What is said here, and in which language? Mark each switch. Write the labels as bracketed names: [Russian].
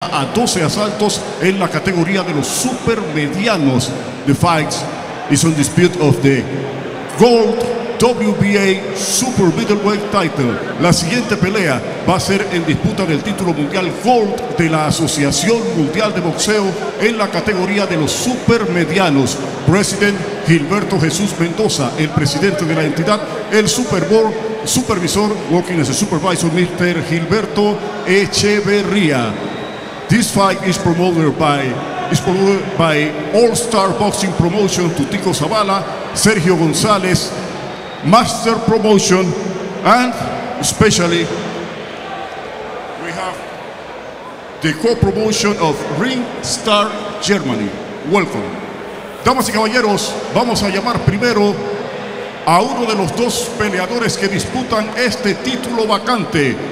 [Spanish] a 12 asaltos en la categoría de los super medianos de Fights. [English] Is on dispute of the Gold WBA Super Middleweight title. [Spanish] La siguiente pelea va a ser en disputa del título mundial Gold de la Asociación Mundial de Boxeo en la categoría de los super medianos. President Gilberto Jesús Mendoza, el presidente de la entidad, el supervisor, [English] working as a supervisor, [Spanish] Mr. Gilberto Echeverría. [English] This fight is promoted by All Star Boxing Promotion, Tutico Zavala, Sergio González, Master Promotion, and especially we have the co-promotion of Ring Star Germany. Welcome. [Spanish] Damas y caballeros, vamos a llamar primero a uno de los dos peleadores que disputan este título vacante.